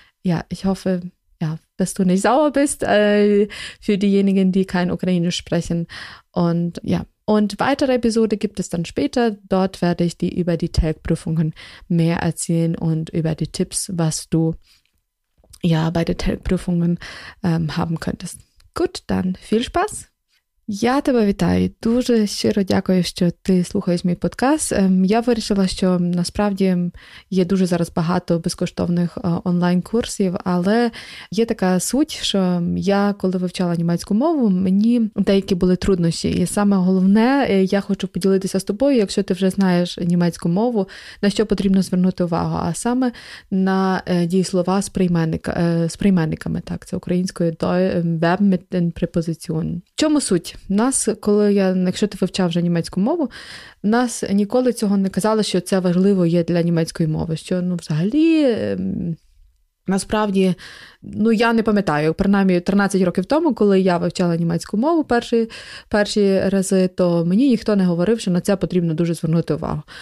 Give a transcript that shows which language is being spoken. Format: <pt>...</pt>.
<de>Ja, ich hoffe, dass du nicht sauer bist für diejenigen, die kein Ukrainisch sprechen. Und ja, und weitere Episode gibt es dann später. Dort werde ich dir über die TELC-Prüfungen mehr erzählen und über die Tipps, was du ja bei den TELC-Prüfungen haben könntest. Gut, dann viel Spaß.</de> <uk>Я тебе вітаю. Дуже щиро дякую, що ти слухаєш мій подкаст. Я вирішила, що насправді є дуже зараз багато безкоштовних онлайн-курсів, але є така суть, що я, коли вивчала німецьку мову, мені деякі були труднощі. І саме головне, я хочу поділитися з тобою, якщо ти вже знаєш німецьку мову, на що потрібно звернути увагу, а саме на дієслова з прийменниками. Так, це українською</uk> <de>«Web mit den Präpositionen».</de> <uk>В чому суть? У нас, коли якщо ти вивчав вже німецьку мову, нас ніколи цього не казали, що це важливо є для німецької мови, що, ну, взагалі, насправді, ну, я не пам'ятаю, принаймні, 13 років тому, коли я вивчала німецьку мову перші рази, то мені ніхто не говорив, що на це потрібно дуже звернути увагу.</uk>